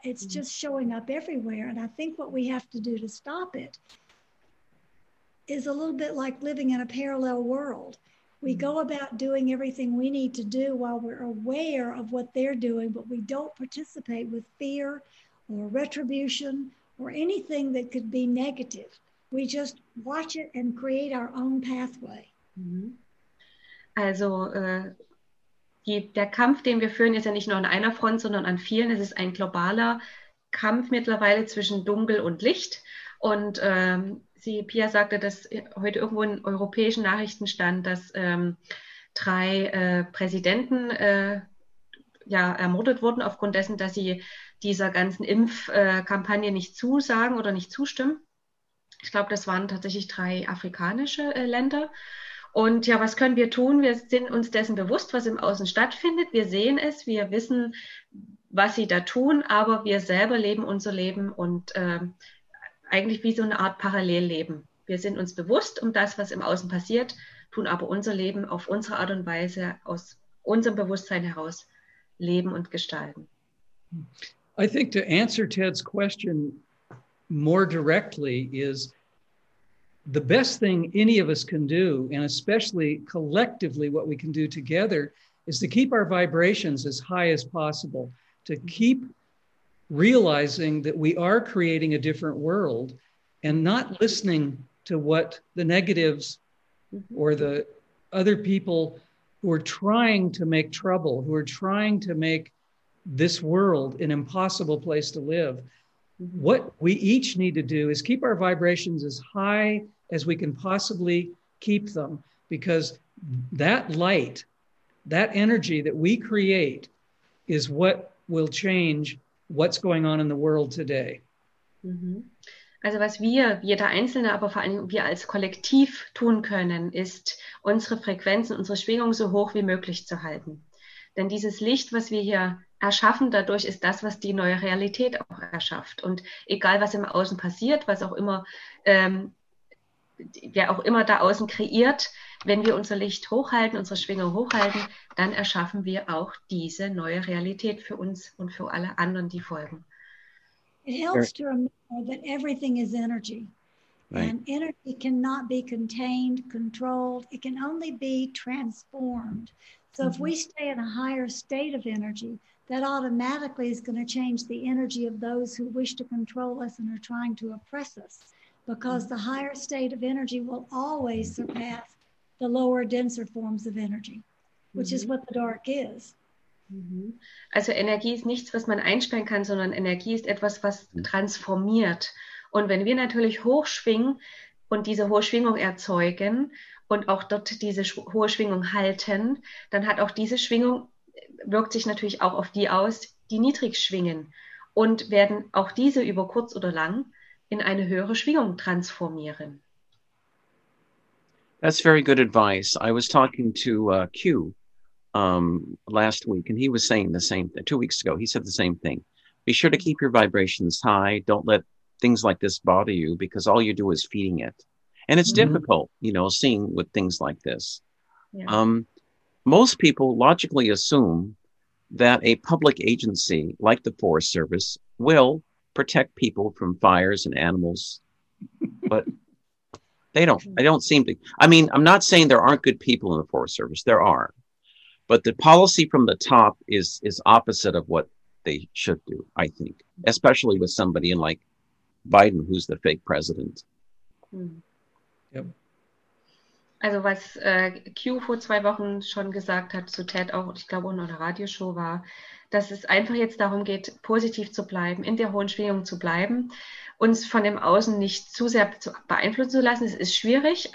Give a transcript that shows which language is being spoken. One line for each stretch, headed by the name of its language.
English: It's just showing up everywhere. And I think what we have to do to stop it is a little bit like living in a parallel world. We go about doing everything we need to do while we're aware of what they're doing, but we don't participate with fear or retribution or anything that could be negative. We just watch it and create our own pathway.
German: Also, der Kampf, den wir führen, ist ja nicht nur an einer Front, sondern an vielen. Es ist ein globaler Kampf mittlerweile zwischen Dunkel und Licht. Und Pia sagte, dass heute irgendwo in europäischen Nachrichten stand, dass drei Präsidenten ermordet wurden, aufgrund dessen, dass sie dieser ganzen Impfkampagne nicht zusagen oder nicht zustimmen. Ich glaube, das waren tatsächlich drei afrikanische Länder. Und ja, was können wir tun? Wir sind uns dessen bewusst, was im Außen stattfindet. Wir sehen es, wir wissen, was sie da tun, aber wir selber leben unser Leben und eigentlich wie so eine Art Parallelleben. Wir sind uns bewusst um das, was im Außen passiert, tun aber unser Leben auf unsere Art und Weise, aus unserem Bewusstsein heraus leben und gestalten.
English: I think to answer Ted's question more directly is, the best thing any of us can do, and especially collectively what we can do together, is to keep our vibrations as high as possible, to keep realizing that we are creating a different world and not listening to what the negatives or the other people who are trying to make trouble, who are trying to make this world an impossible place to live. What we each need to do is keep our vibrations as high as we can possibly keep them, because that light, that energy that we create is what will change what's going on in the world today.
German: Also was wir, jeder Einzelne, aber vor allem wir als Kollektiv tun können, ist unsere Frequenzen, unsere Schwingung so hoch wie möglich zu halten. Denn dieses Licht, was wir hier erschaffen, dadurch ist das, was die neue Realität auch erschafft. Und egal, was im Außen passiert, was auch immer, wer auch immer da außen kreiert, wenn wir unser Licht hochhalten, unsere Schwingung hochhalten, dann erschaffen wir auch diese neue Realität für uns und für alle anderen, die folgen.
English: It helps to remember that everything is energy. Right. And energy cannot be contained, controlled. It can only be transformed. So if we stay in a higher state of energy, that automatically is going to change the energy of those who wish to control us and are trying to oppress us. Because the higher state of energy will always surpass the lower, denser forms of energy, which is what the dark is.
German: Also Energie ist nichts, was man einsperren kann, sondern Energie ist etwas, was transformiert. Und wenn wir natürlich hochschwingen und diese hohe Schwingung erzeugen und auch dort diese hohe Schwingung halten, dann hat auch diese Schwingung, wirkt sich natürlich auch auf die aus, die niedrig schwingen und werden auch diese über kurz oder lang in eine höhere Schwingung transformieren.
English: That's very good advice. I was talking to Q last week, and he was saying the same thing. 2 weeks ago, he said the same thing. Be sure to keep your vibrations high. Don't let things like this bother you, because all you do is feeding it. And it's difficult, you know, seeing with things like this. Yeah. Most people logically assume that a public agency like the Forest Service will protect people from fires and animals, but they don't. I don't seem to. I mean, I'm not saying there aren't good people in the Forest Service. There are. But the policy from the top is opposite of what they should do, I think, especially with somebody in like Biden, who's the fake president. Yep.
German: Also was Q vor 2 Wochen schon gesagt hat zu Ted auch, ich glaube, in einer Radioshow war, dass es einfach jetzt darum geht, positiv zu bleiben, in der hohen Schwingung zu bleiben, uns von dem Außen nicht zu sehr beeinflussen zu lassen. Es ist schwierig.